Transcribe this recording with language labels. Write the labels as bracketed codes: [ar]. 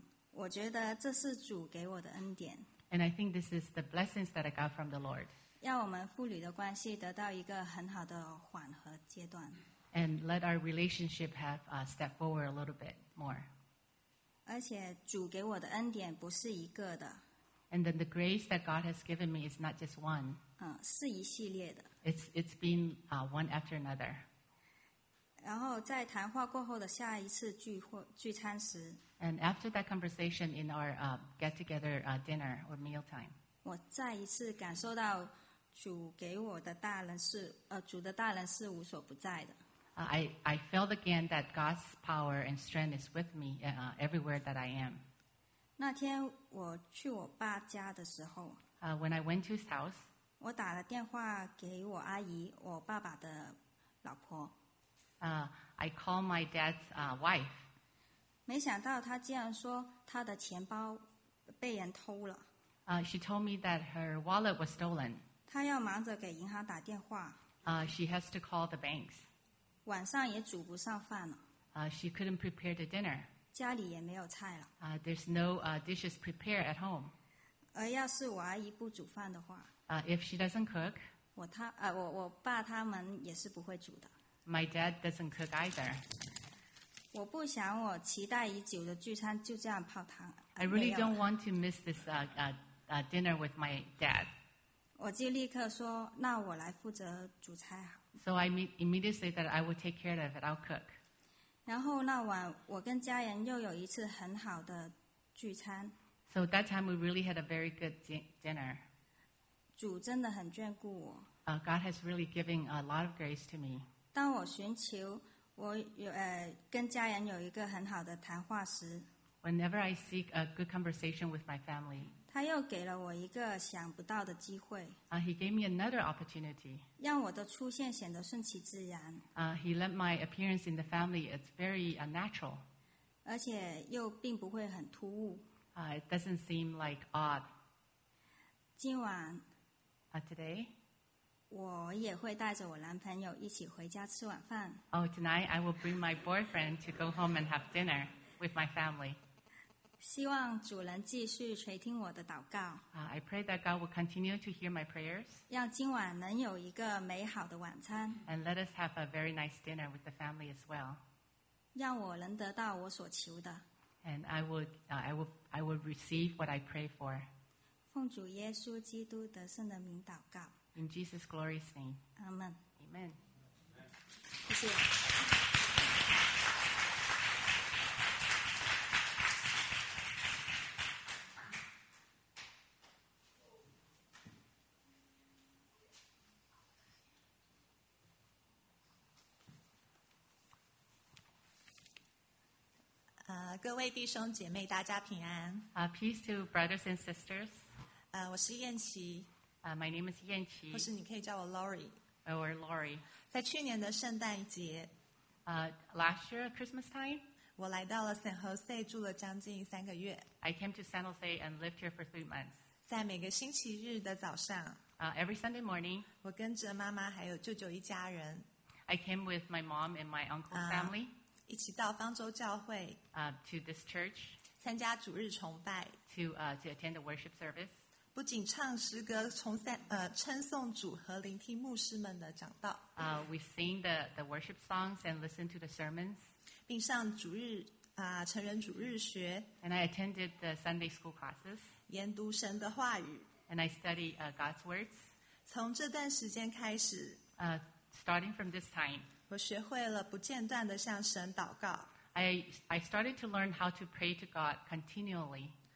[zh] 我觉得这是主给我的恩典。 [en] And I think this is the blessings that I got from the Lord. [zh] 让我们父女的关系得到一个很好的缓和阶段。 [en] And let our relationship have step forward a little bit more. [zh] 而且主给我的恩典不是一个的。 [en] And then the grace that God has given me is not just one. [zh] 是一系列的。 [en] It's been one after another. [zh] 然后在谈话过后的下一次聚餐时， [en] And after that conversation in our get-together dinner or mealtime, [zh] 我再一次感受到主给我的大能是，主的大能是无所不在的。 [en] I felt again that God's power and strength is with me everywhere that I am. [zh] 那天我去我爸家的时候， [en] When I went to his house, [zh] 我打了电话给我阿姨，我爸爸的老婆。 [en] I called my dad's wife. [zh] 没想到她竟然说她的钱包被人偷了。 [en] She told me that her wallet was stolen. [zh] 她要忙着给银行打电话。 [en] She has to call the banks. [zh] 晚上也煮不上饭了。 [en] She couldn't prepare the dinner. [zh] 家里也没有菜了。 [en] There's no dishes prepared at home. [zh] 而要是我阿姨不煮饭的话。 [en] If she doesn't cook. [zh] 我爸他们也是不会煮的。 [en] My dad doesn't cook either. [zh] 我不想我期待已久的聚餐就这样泡汤。 [en] I really don't want to miss this dinner with my dad. [zh] 我就立刻说，那我来负责煮菜。 [en] So I immediately said that I would take care of it. I'll cook. [zh] 然后那晚我跟家人又有一次很好的聚餐。 [en] So that time we really had a very good dinner. [zh] 主真的很眷顾我。 [en] God has really given a lot of grace to me. [zh] 当我寻求我跟家人有一个很好的谈话时。 [en] Whenever I seek a good conversation with my family. [zh] 他又给了我一个想不到的机会。 [en] He gave me another opportunity. [zh] 让我的出现显得顺其自然。 [en] He let my appearance in the family, it's very natural. [zh] 而且又并不会很突兀。 [en] It doesn't seem like odd. [zh] 今晚。 [en] Today. [zh] 我也会带着我男朋友一起回家吃晚饭。 [en] Oh, tonight I will bring my boyfriend to go home and have dinner with my family. [zh] 希望主人继续垂听我的祷告。 [en] I pray that God will continue to hear my prayers. [zh] 让今晚能有一个美好的晚餐。 [en] And let us have a very nice dinner with the family as well. [zh] 让我能得到我所求的。 [en] And I will receive what I pray for. [zh] 奉主耶稣基督得胜的名祷告。 [en] In Jesus' glorious name. Amen. Amen. [zh] 谢谢。各位弟兄姐妹，大家平安。 [en] Peace to brothers and sisters. [zh] 我是燕琪。 [en] My name is 燕琪。 [zh] 或是你可以叫我 Lori。 [en] Or Lori. [zh] 在去年的圣诞节。 [en] Last year Christmas time. [zh] 我来到了 San Jose 住了将近三个月。 [en] I came to San Jose and lived here for 3 months. [zh] 在每个星期日的早上。 [en] Every Sunday morning. [zh] 我跟着妈妈还有舅舅一家人。 [en] I came with my mom and my uncle's family. [zh] 一起到方舟教会。 [en] To this church. [zh] 参加主日崇拜。 [en] To attend the worship service. [zh] 不仅唱诗歌，称颂主和聆听牧师们的讲道。 [en] We sing the worship songs and listen to the sermons. [zh] 并上主日成人主日学。 [en] And I attended the Sunday school classes. [zh] 研读神的话语。 [en] And I studied God's words. [zh] 从这段时间开始。 [en] Starting from this time. [zh] 我学会了不间断地向神祷告。 [en] I started to learn how to pray to God continually.